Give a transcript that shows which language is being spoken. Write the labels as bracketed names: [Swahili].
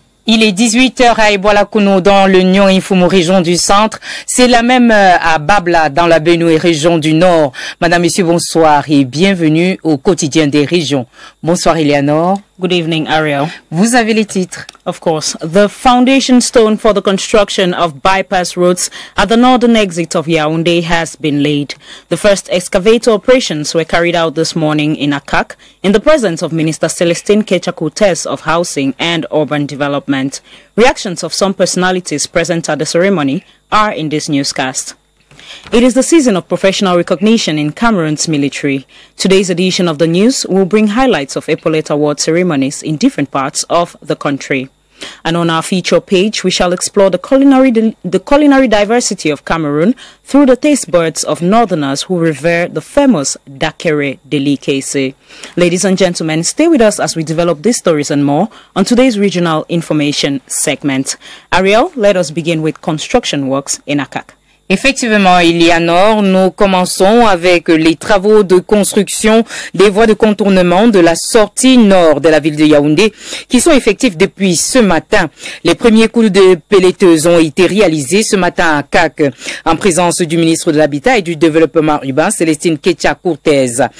[French] Il est 18h à Ebola Kounou dans le Nyon Ifoumou région du centre. C'est la même à Babla dans la Benoué région du nord. Madame, monsieur, bonsoir et bienvenue au quotidien des régions. Bonsoir Eleanor. [English] Good evening Ariel. [French] Vous avez les titres. [English] Of course. The foundation stone for the construction of bypass roads at the northern exit of Yaoundé has been laid. The first excavator operations were carried out this morning in Akak in the presence of Minister Celestine Kechakutes of Housing and Urban Development. Reactions of some personalities present at the ceremony are in this newscast. It is the season of professional recognition in Cameroon's military. Today's edition of the news will bring highlights of epaulette award ceremonies in different parts of the country. And on our feature page, we shall explore the culinary diversity of Cameroon through the taste buds of northerners who revere the famous Dakere Delikese. Ladies and gentlemen, stay with us as we develop these stories and more on today's regional information segment. Ariel, let us begin with construction works in Akak. [French] Effectivement, Eleanor, nous commençons avec les travaux de construction des voies de contournement de la sortie nord de la ville de Yaoundé qui sont effectifs depuis ce matin. Les premiers coups de pelleteuse ont été réalisés ce matin à CAC en présence du ministre de l'Habitat et du Développement Urbain, Célestine Kechakutes.